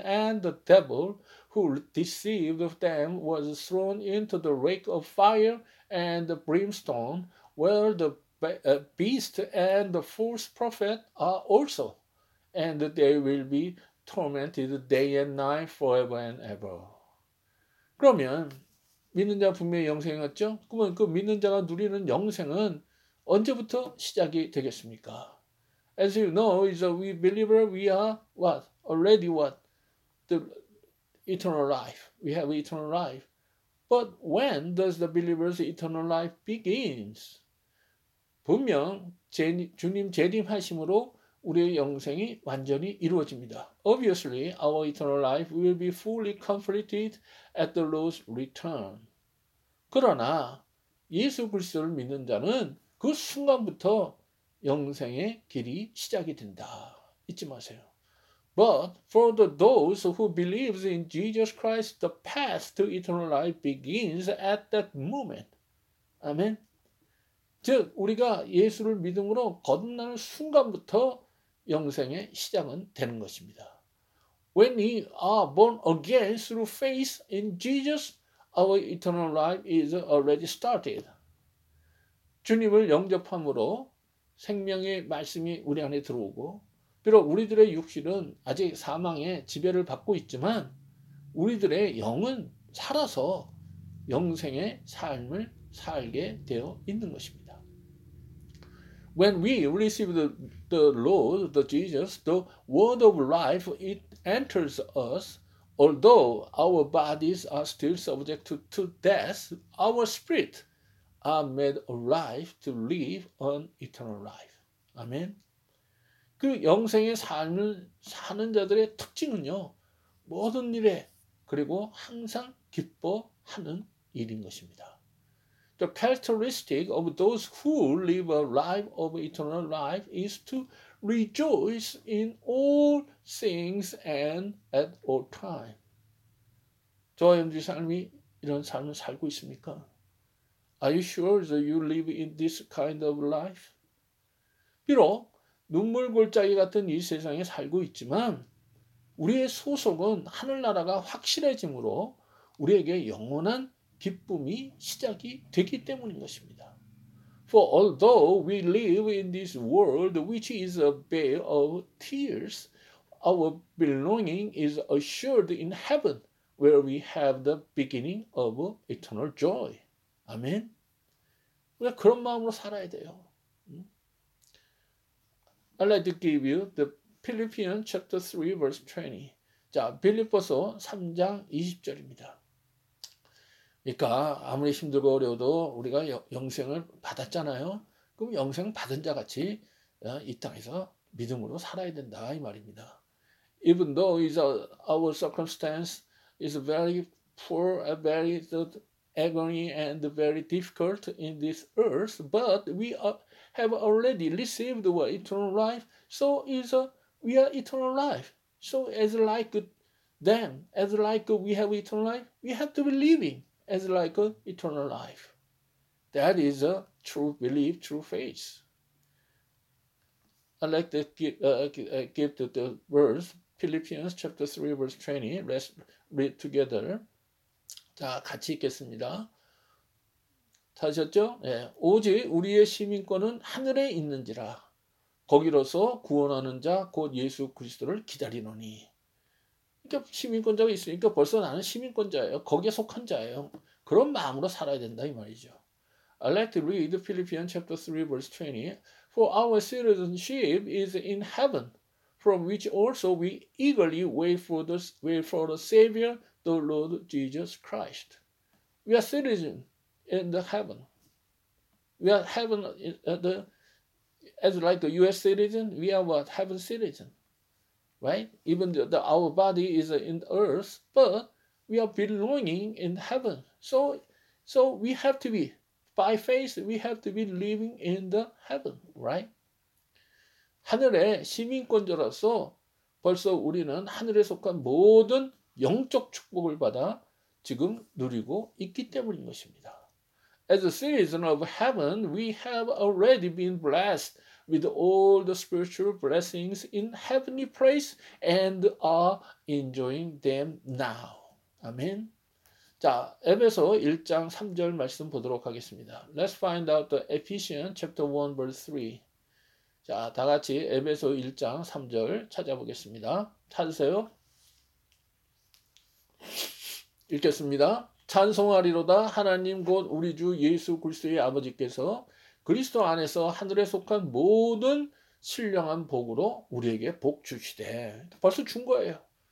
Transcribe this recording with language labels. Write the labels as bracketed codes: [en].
[en] And the devil who deceived them was thrown into the lake of fire and brimstone where the beast and the false prophet are also. And they will be tormented day and night forever and ever. [ko] 그러면 믿는 자 분명히 영생이 갔죠? 그러면 그 믿는 자가 누리는 영생은 언제부터 시작이 되겠습니까? [en] As you know, is a we believer, we are what? Already what? The eternal life. We have eternal life. But when does the believer's eternal life begins? [ko] 분명 주님 재림하심으로 우리의 영생이 완전히 이루어집니다. [en] Obviously, our eternal life will be fully completed at the Lord's return. [ko] 그러나 예수 그리스도를 믿는 자는 그 순간부터 영생의 길이 시작이 된다. 잊지 마세요. [en] But for those who believe in Jesus Christ, the path to eternal life begins at that moment. Amen. [ko] 즉, 우리가 예수를 믿음으로 거듭나는 순간부터 영생의 시작은 되는 것입니다. [en] When we are born again through faith in Jesus, our eternal life is already started. [ko] 주님을 영접함으로 생명의 말씀이 우리 안에 들어오고 비록 우리들의 육신은 아직 사망의 지배를 받고 있지만 우리들의 영은 살아서 영생의 삶을 살게 되어 있는 것입니다. [en] When we receive the Lord, the Jesus, the word of life, it enters us. Although our bodies are still subject to death, our spirit are made alive to live an eternal life. Amen. [ko] 그 영생의 삶을 사는 자들의 특징은요, 모든 일에 그리고 항상 기뻐하는 일인 것입니다. [en] The characteristic of those who live a life of eternal life is to rejoice in all things and at all time. [ko] 저와 여러분들 삶이 이런 삶을 살고 있습니까? [en] Are you sure that you live in this kind of life? [ko] 비록 눈물골짜기 같은 이 세상에 살고 있지만 우리의 소속은 하늘나라가 확실해지므로 우리에게 영원한 기쁨이 시작이 되기 때문인 것입니다. [en] For although we live in this world which is a veil of tears, our belonging is assured in heaven where we have the beginning of eternal joy. [ko] 아멘. 우리가 그런 마음으로 살아야 돼요. [en] I'd like to give you the Philippians chapter 3 verse 20. [ko] 자, 빌립보서 3장 20절입니다. 그러니까 아무리 힘들고 어려워도 우리가 영생을 받았잖아요. 그럼 영생 받은 자 같이 이 땅에서 믿음으로 살아야 된다 이 말입니다. [en] Even though is our circumstance is very poor, very agony and very difficult in this earth, but we have already received what eternal life. So is we are eternal life. So as like them, as like we have eternal life, we have to be living as like eternal life. That is a true belief, true faith. I like to give the verse, Philippians chapter 3 verse 20, let's read together. [ko] 자, 같이 읽겠습니다. 찾으셨죠? 예. 오직 우리의 시민권은 하늘에 있는지라. 거기로서 구원하는 자, 곧 예수 그리스도를 기다리노니. 그러니까 시민권자가 있으니까 벌써 나는 시민권자예요. 거기에 속한 자예요. 그런 마음으로 살아야 된다 이 말이죠. [en] I like to read Philippians chapter 3 verse 20. For our citizenship is in heaven, from which also we eagerly wait for the Savior, the Lord Jesus Christ. We are citizens in the heaven. We are heaven as like a U.S. citizen. We are what heaven citizen. Right? Even though our body is in earth, but we are belonging in heaven. So we have to be, by faith, we have to be living in the heaven, right? [ko] 하늘의 시민권자로서 벌써 우리는 하늘에 속한 모든 영적 축복을 받아 지금 누리고 있기 때문인 것입니다. [en] As a citizen of heaven, we have already been blessed with all the spiritual blessings in heavenly place and are enjoying them now. Amen. [ko] 자, 에베소 1장 3절 말씀 보도록 하겠습니다. [en] Let's find out the Ephesians chapter 1 verse 3. [ko] 자, 다 같이 에베소 1장 3절 찾아보겠습니다. 찾으세요. 읽겠습니다. 찬송하리로다 하나님 곧 우리 주 예수 그리스도의 아버지께서 그리스도 안에서 하늘에 속한 모든 신령한 복으로 우리에게 복 주시되. 벌써 준 거예요.